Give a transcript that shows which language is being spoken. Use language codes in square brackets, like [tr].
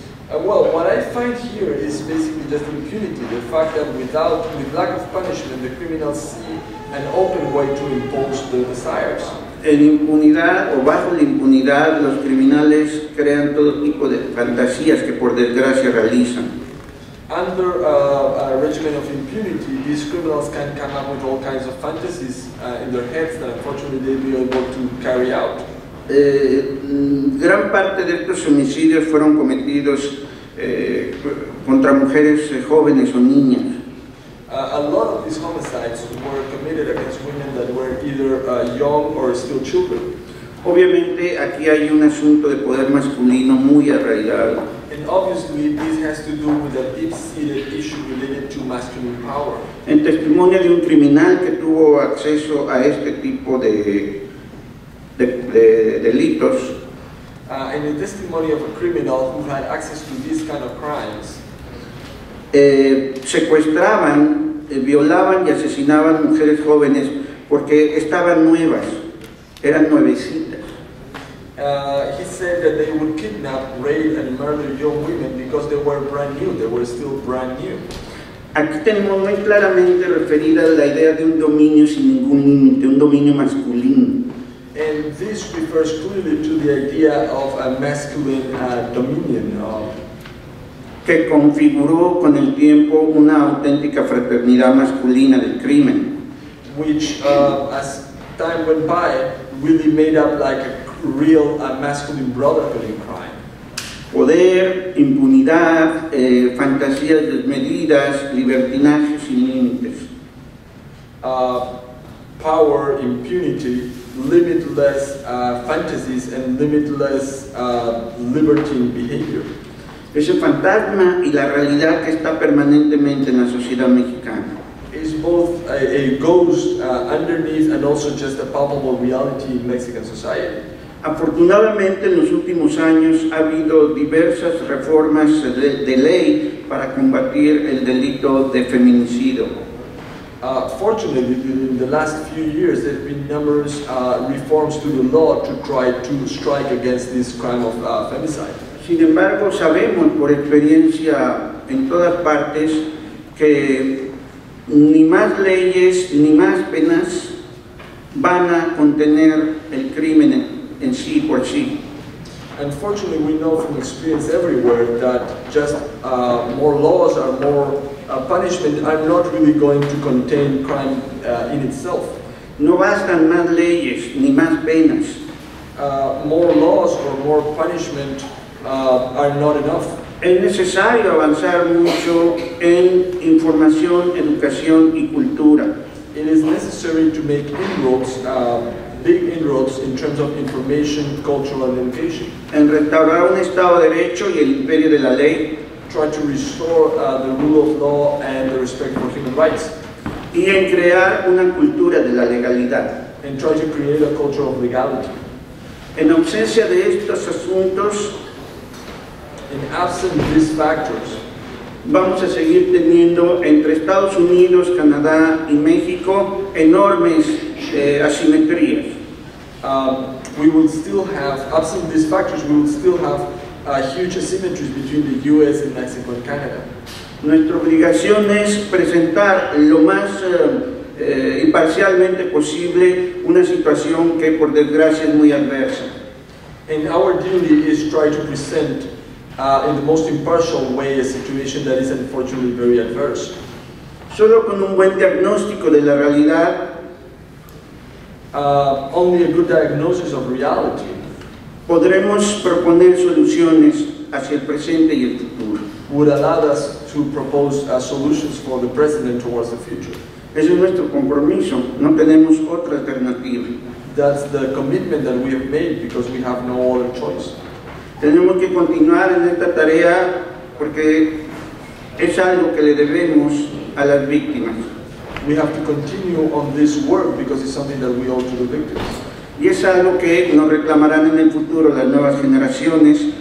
[en] Well, what I find here is basically just impunity, the fact that without, with lack of punishment, the criminals see an open way to impose their desires. [es] En impunidad o bajo la impunidad, los criminales crean todo tipo de fantasías que por desgracia realizan. [en] Under a regimen of impunity, these criminals can come up with all kinds of fantasies in their heads that unfortunately they be able to carry out. [es] Gran parte de estos homicidios fueron cometidos contra mujeres jóvenes o niñas. [en] A lot of these homicides were committed against women that were either young or still children. [es] Obviamente, aquí hay un asunto de poder masculino muy arraigado. [en] And obviously, this has to do with a deep-seated issue related to masculine power. [es] En testimonio de un criminal que tuvo acceso a este tipo de delitos. [en] In the testimony of a criminal who had access to these kind of crimes. [es] Secuestraban, violaban y asesinaban mujeres jóvenes porque estaban nuevas, eran nuevecitas. [en] He said that they would kidnap, rape and murder young women because they were brand new, they were still brand new. [es] Aquí tenemos muy claramente referida la idea de un dominio sin ningún límite, un dominio masculino. [en] And this refers clearly to the idea of a masculine dominion. [es] Que configuró con el tiempo una auténtica fraternidad masculina del crimen. [en] Which, as time went by, really made up like a real masculine brotherhood in crime. [es] Poder, impunidad, fantasías desmedidas, libertinaje sin límites. [en] Power, impunity, limitless fantasies and limitless libertine behavior. [es] Ese fantasma y la realidad que está permanentemente en la sociedad mexicana. [en] Is both a ghost underneath and also just a palpable reality in Mexican society. [es] Afortunadamente, en los últimos años ha habido diversas reformas de ley para combatir el delito de feminicidio. [en] Fortunately, in the last few years, there have been numerous reforms to the law to try to strike against this crime of femicide. [es] Sin embargo, sabemos por experiencia en todas partes que ni más leyes ni más penas van a contener el crimen en sí por sí. [en] Unfortunately, we know from experience everywhere that just more laws or more punishment are not really going to contain crime in itself. [es] No bastan más leyes ni más penas. [en] More laws or more punishment are not enough. [es] Es necesario avanzar mucho en información, educación y cultura. [en] It is necessary to make inroads, big inroads in terms of information, culture and education. [es] En restaurar un Estado de Derecho y el imperio de la ley. [en] Try to restore the rule of law and the respect for human rights. [es] Y en crear una cultura de la legalidad. [en] And try to create a culture of legality. [es] En ausencia de estos asuntos, [en] in absent these factors, [es] vamos a seguir teniendo entre Estados Unidos, Canadá y México enormes asimetrías. [en] We will still have, absent these factors, we will still have huge asymmetries between the U.S. and Mexico and Canada. [es] Nuestra obligación es presentar lo más imparcialmente posible una situación que por desgracia es muy adversa. [en] And our duty is try to present in the most impartial way, a situation that is unfortunately very adverse. [es] Solo con un buen diagnóstico de la realidad, [en] only a good diagnosis of reality, [es] podremos proponer soluciones hacia el presente y el futuro. [en] Would allow us to propose solutions for the present and towards the future. [es] Ese es nuestro compromiso. No tenemos otra alternativa. [en] That's the commitment that we have made because we have no other choice. [es] Tenemos que continuar en esta tarea porque es algo que le debemos a las víctimas. [en] We have to continue on this work because it's something that we owe to the victims. [es] Y es algo que nos reclamarán en el futuro las nuevas generaciones